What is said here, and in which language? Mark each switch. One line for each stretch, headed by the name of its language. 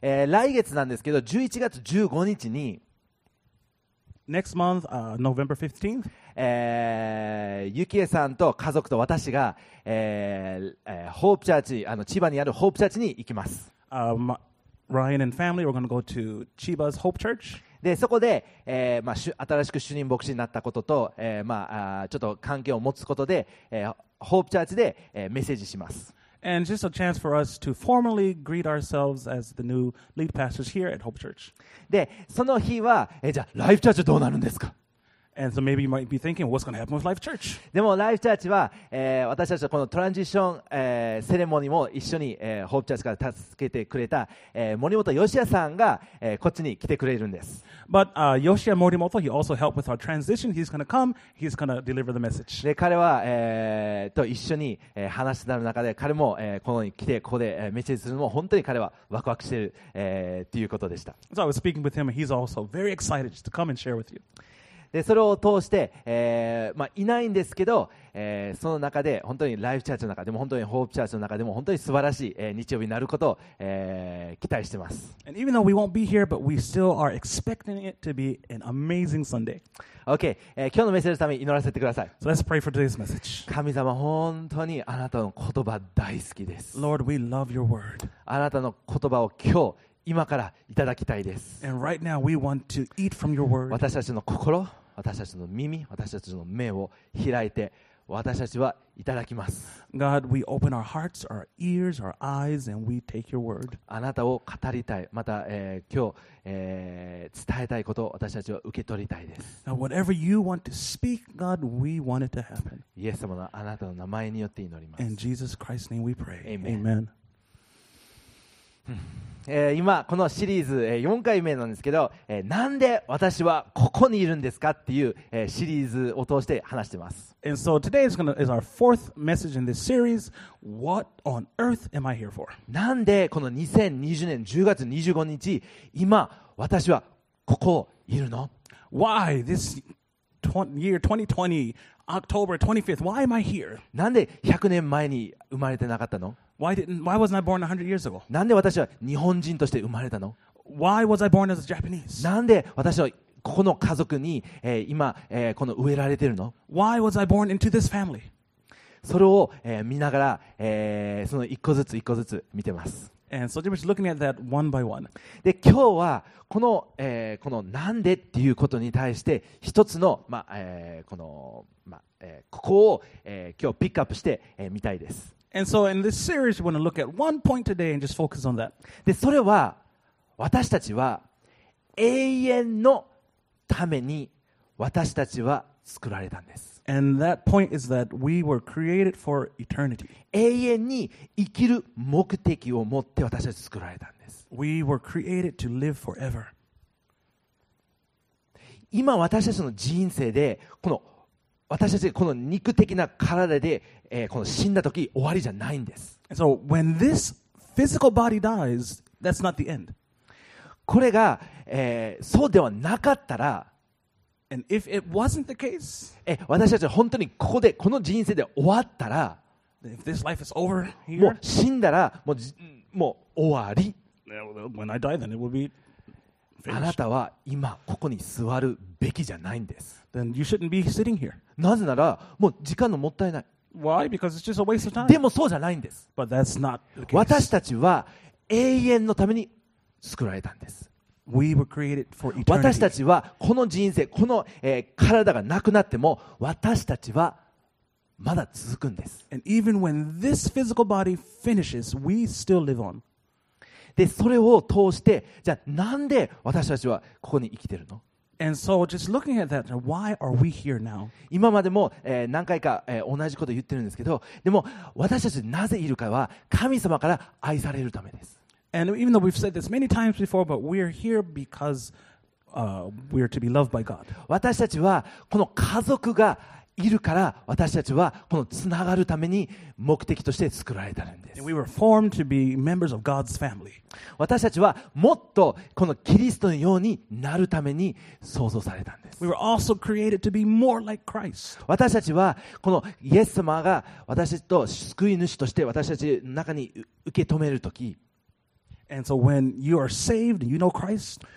Japanese: 来月なんですけど、11月15日に、
English: Next month, November 15th.
Japanese: ゆきえさんと家族と私が、ホープチャーチ、あの千葉にあるホープチャーチに行きます。
English: Ryan and family, we're going to go to Chiba's Hope Church.
Japanese: で、そこで、まあ、新しく主任牧師になったことと、まあ、ちょっと関係を持つことで、ホープチャーチで、メッセージします。
English: And just a chance for us to formally greet ourselves as the new lead pastors here at Hope Church.
Japanese: で、その日は、じゃあ、Life Church どうなるんですか？
English: And so maybe you might be thinking, what's going to happen with Life Church?
Japanese: でも、Life Church は、私たちのこのトランジション、セレモニーも一緒に、Hope Church から助けてくれた、森本義也さんが、こっちに来てくれるんです。
English: But Yoshiya Morimoto, he also helped with our transition. He's going to come. He's going to deliver the message.
Japanese: で、彼は、と一緒に、話してる中で、彼も、このに来て、ここで、メッセージするのも、本当に彼はワクワクしてる、ということでした。
English: So I was speaking with him, and he's also very excited to come and share with you.
Japanese: で、それを通して、まあ、いないんですけど、その中で、本当にライフチャーチの中でも、本当にホープチャーチの中でも、本当に素晴らしい、日曜日になることを、期待しています。
English: And even though we won't be here, but we still are expecting it to be an amazing Sunday.
Japanese: Okay, 今日のメッセージのために祈らせてください。
English: So let's pray for today's message.
Japanese: 神様、本当にあなたの言葉大好きです。
English: Lord, we love your word.
Japanese: あなたの言葉を今日、今からいただきたいです。
English: And right now we want to eat from your word.
Japanese: 私たちの心、私たちの耳、私たちの目を開いて、私たちはいただきます。
English: God, we open our hearts, our ears, our eyes, and we take your word.
Japanese: あなたを語りたい、また、今日、伝えたいことを私たちは受け取りたいです。
English: Now, whatever you want to speak, God, we want it to happen.
Japanese: イエス様のあなたの名前によって祈ります。
English: In Jesus Christ's name we pray. Amen. Amen.
Japanese: 今このシリーズ4回目なんですけど、なんで私はここにいるんですかっていうシリーズを通して話しています。
English: And so today is our fourth message in this series. What on earth am I here for?
Japanese: なんでこの2020年10月25日今私はここいるの。
English: Why this year 2020 October 25th, why am I here?
Japanese: なんで100年前に生まれてなかったの。
English: Why wasn't I born 100 years ago?
Japanese: なんで私は日本人として生まれたの。
English: Why was I born as a Japanese?
Japanese: なんで私はここの家族に、今、この植えられているの。
English: Why was I born into this family?
Japanese: それを、見ながら、その一個ずつ一個ずつ見てます。
English: And so Jimmy's looking at that one by one.
Japanese: で、今日はこの、このなんでっていうことに対して一つの、まあ、この、まあ、ここを、今日ピックアップして、見たいです。
English: And so in this series, we want to look at one point today and just focus on that.
Japanese: で、それは私たちは永遠のために私たちは作られたんです。
English: And that point is that we were created for eternity.
Japanese: 永遠に生きる目的を持って私たち作られたんです。
English: We were created to live forever.
Japanese: 今私たちの人生でこの私たちこの肉的な体で、この死んだ時終わりじゃないんです。
English: So when this physical body dies, that's not the end.
Japanese: これが、そうではなかったら、
English: And if it wasn't the case,
Japanese: 私たち本当にここでこの人生で終わったら、
English: If this life is over here,
Japanese: もう死んだらもう、もう終わり。
English: When I die, then it will be finished.
Japanese: あなたは今ここに座るべきじゃないんです。
English: Then you shouldn't be sitting here.
Japanese: なぜならもう時間のもったいない。
English: Why? Because it's just a waste of time.
Japanese: でもそうじゃないんです。
English: But that's not the case.
Japanese: 私たちは永遠のために作られたんです。
English: We were created for eternity.
Japanese: 私たちはこの人生、この、体がなくなっても私たちはまだ続くんです。
English: And even when this physical body finishes, we still live on.
Japanese: で、それを通して、じゃあなんで私たちはここに生きてるの？
English: And so, just looking at that, why are we here now?
Japanese: 今までも、何回か、同じこと言ってるんですけど、でも私たちなぜいるかは神様から愛されるためです。
English: And even though we've said this many times before, but we're here because we are to be loved by God.
Japanese: 私たちはこの家族がいるから私たちはこのつながるために目的として作られたんです。
English: And we were formed to be members of God's family.
Japanese: 私たちはもっとこのキリストのようになるために創造されたんです。
English: We were also created to be more like Christ.
Japanese: 私たちはこのイエス様が私たちと救い主として私たちの中に受け止めるとき、
English: And so when you are saved, you know Christ.